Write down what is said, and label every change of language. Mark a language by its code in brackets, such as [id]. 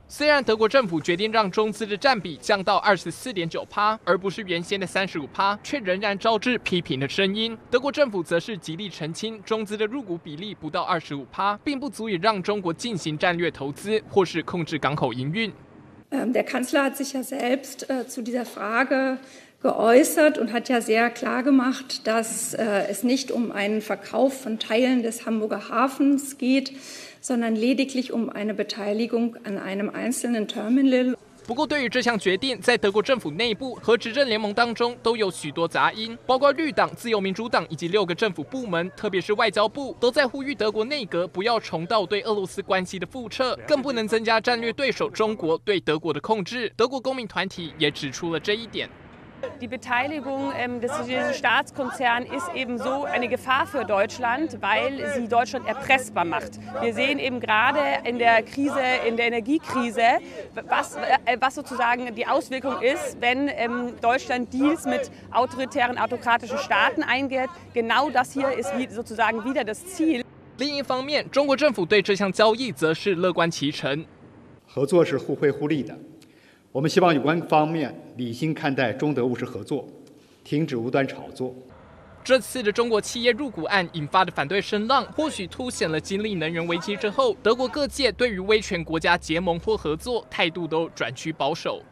[zh] 虽然德国政府决定让中资的占比降到24.9%，而不是原先的35%，却仍然招致批评的声音。德国政府则是极力澄清，中资的入股比例不到25%，并不足以让中国进行战略投资或是控制港口营运。 [de] Der Kanzler hat sich ja selbst zu dieser Frage. geäußert und hat ja sehr klar gemacht, dass es nicht um einen Verkauf von Teilen des Hamburger Hafens geht, sondern lediglich um eine Beteiligung an einem einzelnen Terminal. [zh] 不过，对于这项决定，在德国政府内部和执政联盟当中都有许多杂音，包括绿党、自由民主党以及六个政府部门，特别是外交部，都在呼吁德国内阁不要重蹈对俄罗斯关系的覆辙，更不能增加战略对手中国对德国的控制。德国公民团体也指出了这一点。 [de] Die Beteiligung des Staatskonzerns ist eben so eine Gefahr für Deutschland, weil sie Deutschland erpressbar macht. Wir sehen eben gerade in der Krise, in der Energiekrise, was sozusagen die Auswirkung ist, wenn Deutschland Deals mit autoritären, autokratischen Staaten eingeht. Genau das hier ist sozusagen wieder das Ziel. [zh] 另一方面，中国政府对这项交易则是乐观其成。合作是互惠互利的。我们希望有关方面理性看待中德务实合作，停止无端炒作。这次的中国企业入股案引发的反对声浪，或许凸显了经历能源危机之后，德国各界对于威权国家结盟或合作态度都转趋保守。